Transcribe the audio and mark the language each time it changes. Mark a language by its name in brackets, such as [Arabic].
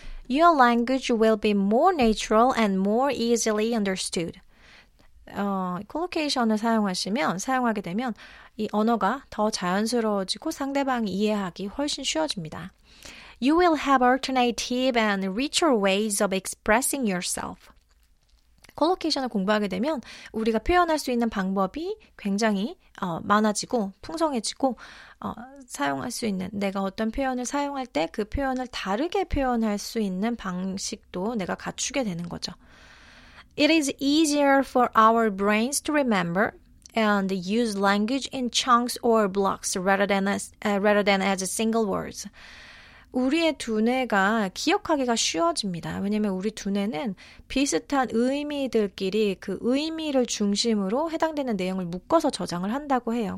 [English] Your language will be more natural and more easily understood. [Korean] 콜로케이션을 사용하게 되면 이 언어가 더 자연스러워지고 상대방이 이해하기 훨씬 쉬워집니다. [English] You will have alternative and richer ways of expressing yourself. [Korean] 콜로케이션을 공부하게 되면 우리가 표현할 수 있는 방법이 굉장히 많아지고 풍성해지고 사용할 수 있는 내가 어떤 표현을 사용할 때 그 표현을 다르게 표현할 수 있는 방식도 내가 갖추게 되는 거죠. [English] It is easier for our brains to remember and use language in chunks or blocks rather than as single words. [Korean] 우리의 두뇌가 기억하기가 쉬워집니다. 왜냐하면 우리 두뇌는 비슷한 의미들끼리 그 의미를 중심으로 해당되는 내용을 묶어서 저장을 한다고 해요.